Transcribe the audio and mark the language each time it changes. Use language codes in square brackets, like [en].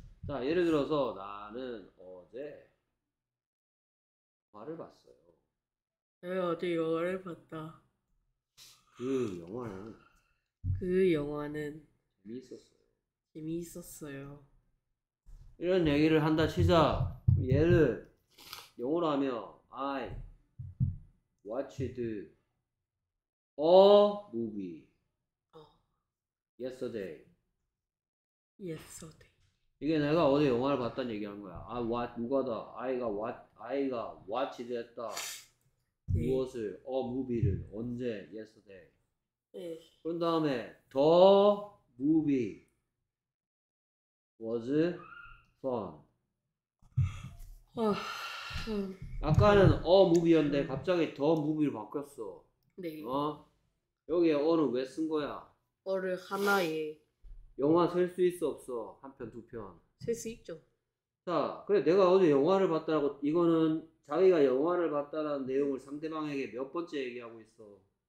[ko] 자, 예를 들어서 나는 어제 영화를 봤어요. 네, 어제 영화를 봤다. 그 영화는 재미있었어요. 재미있었어요. 이런 얘기를 한다 치자. 얘를 영어로 하면 [en] I watched a movie. Yesterday. Yesterday. [ko] 이게 내가 어제 영화를 봤다는 얘기한 거야. [en] I watch [ko] 누가다. I가 watched 했다. 네. 무엇을? [en] A movie [ko] 를 언제? [en] Yesterday. [ko] 네. 그런 다음에 [en] the movie was fun. [ko] 아까는 [en] a movie [ko] 였는데 갑자기 [en] the movie [ko] 로 바뀌었어. 네. 어? 여기에 어는 왜 쓴 거야? 어를 하나에 영화 셀수 있어 없어? 한 편, 두 편. 셀수 있죠. 자, 그래 내가 어제 영화를 봤다라고 이거는 자기가 영화를 봤다라는 내용을 상대방에게 몇 번째 얘기하고 있어?